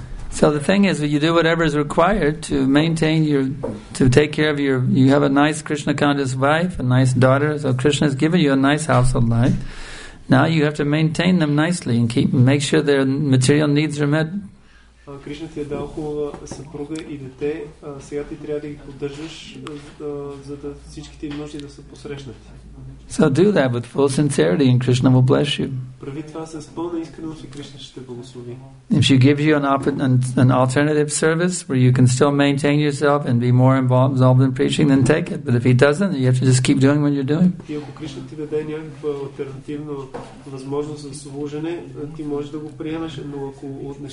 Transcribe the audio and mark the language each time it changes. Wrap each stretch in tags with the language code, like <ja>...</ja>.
<en>So the thing is, you do whatever is required to maintain to take care of your, you have a nice Krishna conscious wife, a nice daughter, so Krishna has given you a nice household life. Now you have to maintain them nicely and keep, make sure their material needs are met.</en> <bg>Krishna ти е дал хубава съпруга и дете, сега ти трябва да ги поддържаш, за да всички ти нужди да са посрещнати.</bg> <en>So do that with full sincerity and Krishna will bless you.</en> <bg>Прави това с пълна искреност и Кришна ще те благослови.</bg> <en>If she gives you an alternative service where you can still maintain yourself and be more involved in preaching, then take it. But if he doesn't, you have to just keep doing what you're doing.</en> <bg>И ако Кришна ти даде някаква альтернативна възможност за служене, ти можеш да го приемеш, но ако отнеш...</bg>